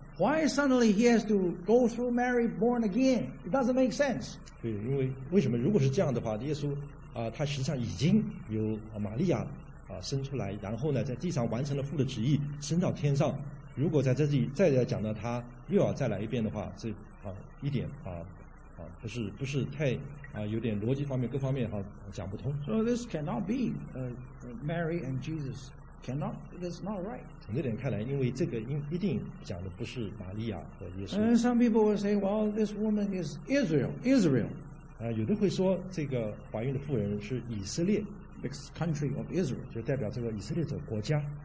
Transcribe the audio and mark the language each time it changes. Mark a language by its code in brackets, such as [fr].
[en] Why suddenly he has to go through Mary born again? It doesn't make sense. [zh] 对，因为为什么？如果是这样的话，耶稣他实际上已经有玛利亚了。生出来，然后呢，在地上完成了父的旨意，升到天上。如果在这里再来讲到他又要再来一遍的话，这一点不是太有点逻辑方面各方面讲不通。 [en] So this cannot be, Mary and Jesus cannot. That's not right. [zh] 从这点看来，因为这个一定讲的不是玛利亚和耶稣。 [en] And some people will say, well, this woman is Israel. Israel. [zh] 有的会说这个怀孕的妇人是以色列。 [en] Country of Israel [zh] 就代表这个以色列这个国家。